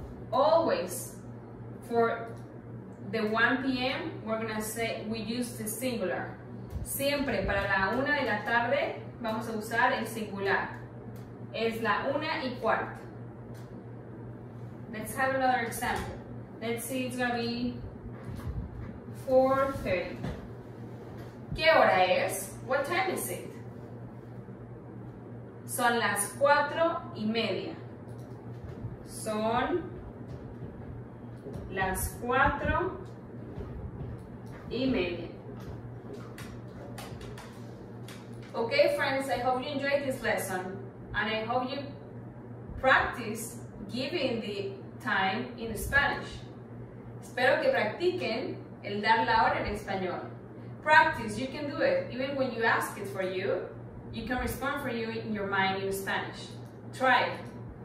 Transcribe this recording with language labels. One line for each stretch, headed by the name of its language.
English: Always, for the 1 p.m., we're going to say, we use the singular.
Spanish: Siempre, para la una de la tarde, vamos a usar el singular. Es la una y cuarto.
English: Let's have another example. Let's see, it's going to be 4:30.
Spanish: ¿Qué hora es?
English: What time is it?
Spanish: Son las 4:30. Son las 4:30.
English: Okay, friends, I hope you enjoyed this lesson and I hope you practice giving the time in Spanish.
Spanish: Espero que practiquen el dar la hora en español.
English: Practice, you can do it. Even when you ask it for you, you can respond for you in your mind in Spanish. Try it.